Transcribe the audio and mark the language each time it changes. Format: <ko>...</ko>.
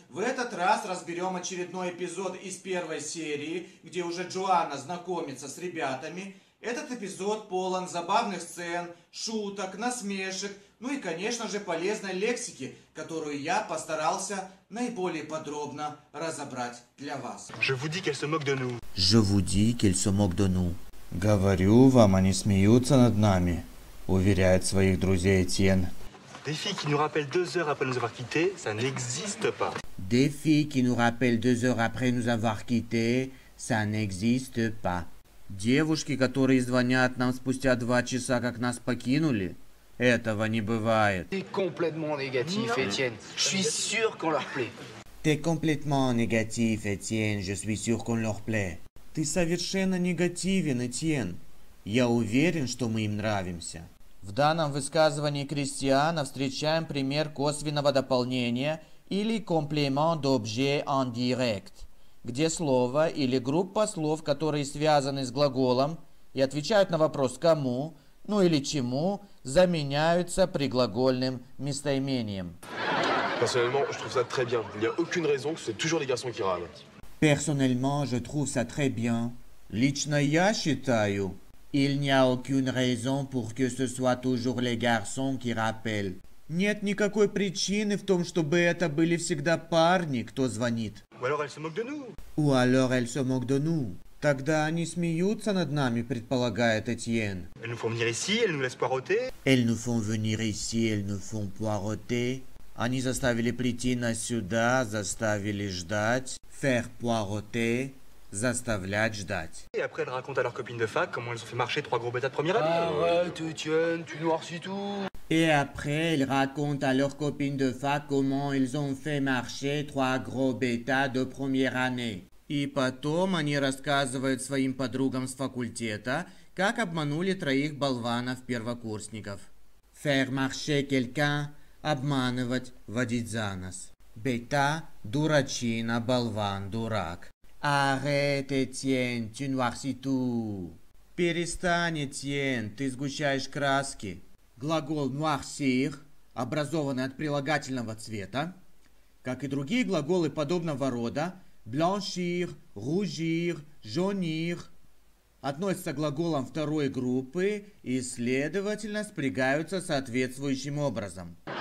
<ru>В этот раз разберем очередной эпизод из первой серии, где уже Джоанна знакомится с ребятами. Этот эпизод полон забавных сцен, шуток, насмешек, ну и, конечно же, полезной лексики, которую я постарался наиболее подробно разобрать для вас.</ru> <fr>Je vous dis qu'elle se moque de nous. Je vous dis qu'elle se moque de nous.</fr> <ru>Говорю вам, они смеются над нами, уверяет своих друзей Этьен.</ru> <fr>Des filles qui nous rappellent deux heures après nous avoir quittés, ça n'existe pas. Des filles qui nous rappellent deux heures après nous avoir quittés, ça n'existe pas.</fr> <ru>Девушки, которые звонят нам спустя два часа, как нас покинули, этого не бывает. Ты</ru> <fr>complètement négatif, Etienne. Je suis sûr qu'on leur plaît.</fr> <ru>Ты</ru> <fr>complètement négatif, Etienne. Je suis sûr qu'on leur plaît.</fr> <ru>Ты совершенно негативен, Этьен. Я уверен, что мы им нравимся. В данном высказывании Кристиана встречаем пример косвенного дополнения или</ru> <fr>complément d'objet en direct,</fr> <ru>где слово или группа слов, которые связаны с глаголом и отвечают на вопрос «кому», ну или «чему», заменяются приглагольным местоимением.</ru> <fr>Personnellement, je trouve ça très bien. Il n'y a aucune raison que c'est toujours les garçons qui râlent. Personnellement, je trouve ça très bien.</fr> <ru>Лично я считаю,</ru> <fr>il n'y a aucune raison pour que ce soit toujours les garçons qui rappellent.</fr> <ru>Нет никакой причины в том, чтобы это были всегда парни, кто звонит.</ru> <fr>Ou alors elle se moque de nous. Ou alors elle se moque de nous.</fr> <ru>Тогда они смеются над нами, предполагает Этьен.</ru> <fr>Elles nous font venir ici, elles nous laissent poireauter. Elles nous font venir ici, elles nous font poireauter.</fr> <ru>Они заставили прийти нас сюда, заставили ждать.</ru> <fr>Faire poireauter,</fr> <ru>заставлять ждать.</ru> <fr>Et après, elle raconte à leur copine de fac comment elles ont fait marcher trois gros bêtas de première année. Arrête, Etienne, tu noircis tout. Et après, elle raconte à leur copine de fac comment ils ont fait marcher trois gros bêtas de première année.</fr> <ru>И потом они рассказывают своим подругам с факультета, как обманули троих болванов первокурсников.</ru> <fr>Faire marcher quelqu'un.</fr> <ru>Обманывать, водить за нос. Бета, дурачина, болван, дурак.</ru> <fr>Arrête, Etienne, tu noircis tout.</fr> <ru>Перестань, Etienne, ты сгущаешь краски. Глагол noircir, образованный от прилагательного цвета, как и другие глаголы подобного рода, blanchir, rougir, jaunir, относятся к глаголам второй группы и, следовательно, спрягаются соответствующим образом.</ru>